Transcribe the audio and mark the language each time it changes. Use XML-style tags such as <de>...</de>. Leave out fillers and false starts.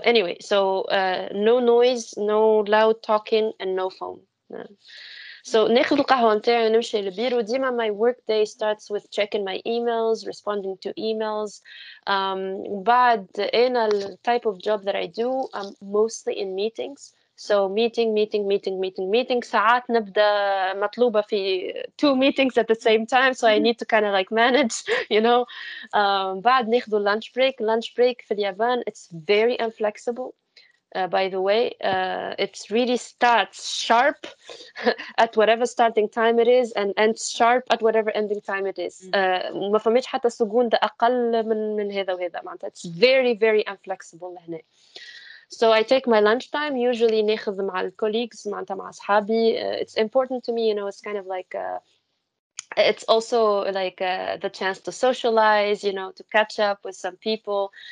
<en>Anyway, so no noise, no loud talking and no phone.</en> <ar>So ناخذ القهوه نتاعي ونمشي للبيرو. ديما</ar> <en>my work day starts with checking my emails, responding to emails.</en> <ar>بعد انا</ar> <en>type of job that I do, I'm mostly in meetings. So meeting.</en> <ar>ساعات نبدأ مطلوبة</ar> <en>في 2 meetings at the same time. So I need to kind of like manage, you know.</en> <ar>بعد ناخذوا</ar> <en>lunch break. Lunch break</en> <ar>في اليابان,</ar> <en>it's very inflexible. By the way, it really starts sharp at whatever starting time it is and ends sharp at whatever ending time it is.</en> <ar>ما فهمتش حتى سجون ده أقل من هذا وهذا.</ar> <en>It's very, very inflexible</en> <ar>هنا.</ar> <en>So I take my lunch time, usually</en> <ar>ناخذ مع الكوليجز معناتها مع أصحابي.</ar> <en>It's important to me, you know, it's kind of like it's also like the chance to socialize, you know, to catch up with some people.</en>